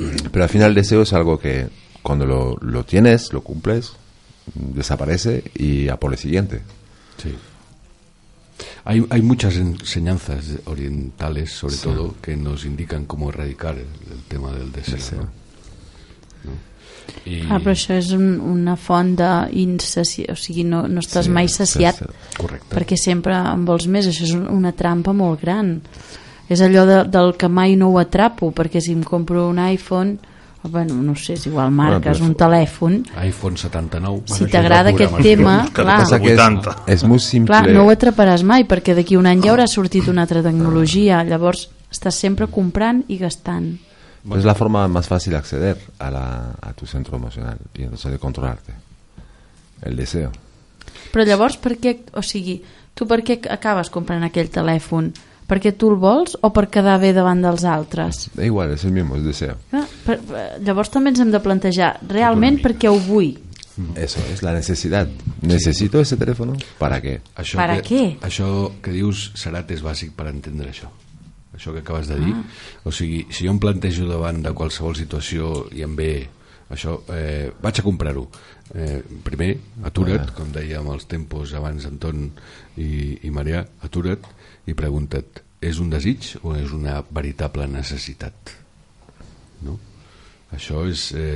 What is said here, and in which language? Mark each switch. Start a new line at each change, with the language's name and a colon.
Spanish: Pero al final el deseo es algo que cuando lo tienes, lo cumples, desaparece y a por el siguiente. Sí. Hay muchas enseñanzas orientales, sobre sí. todo, que nos indican cómo erradicar el tema del deseo.
Catalan: I... Ah, però això és una font d'insaciat, o sigui, no estàs mai saciat, correcte. Perquè sempre en vols més, això és una trampa molt gran, és allò del que mai no ho atrapo, perquè si em compro un iPhone, o, bueno, no sé, és igual marques, bueno, un telèfon iPhone 79, si t'agrada aquest tema, és molt simple, clar, no ho atraparàs mai, perquè d'aquí un any ja haurà sortit una altra tecnologia, llavors estàs sempre comprant i gastant. Bueno.
Spanish: Es la forma más fácil de acceder a tu centro emocional y entonces de controlarte el deseo.
Catalan: Però llavors per què, o sigui, tu per què acabes comprant aquell telèfon? Perquè tu el vols o per quedar bé davant dels altres?
Spanish: Da igual, és el mismo, és deseo.
Catalan: Llavors també ens hem de plantejar realment per què ho vull.
Spanish: Eso es la necessitat. Necessito ese teléfono para qué? Això para qué?
Catalan: Això que dius, Serat, és bàsic per entendre això. Això que acabes de dir, o sigui, si jo em plantejo davant de qualsevol situació i em ve això, vaig a comprar-ho. Primer, atura't, com dèiem els tempos abans Anton i Marià, atura't i pregunta't, és un desig o és una veritable necessitat? No? Això és...